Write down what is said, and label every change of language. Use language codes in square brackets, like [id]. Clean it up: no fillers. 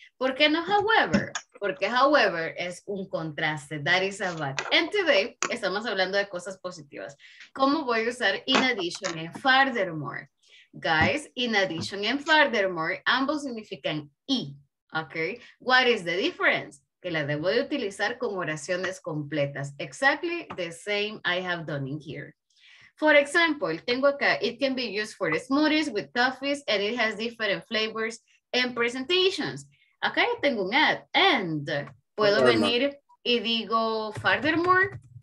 [es] ¿Por qué no however? Porque however es un contraste, [en] that is a but. And today, [es] estamos hablando de cosas positivas. ¿Cómo voy a usar [en] in addition and furthermore? Guys, in addition and furthermore, [es] ambos significan y, [en] okay? What is the difference? [es] Que la debo de utilizar con oraciones completas. [en] Exactly the same I have done in here. For example, [es] tengo acá, [en] it can be used for smoothies with coffees and it has different flavors and presentations. [es] Acá yo tengo un ad and puedo venir y digo furthermore.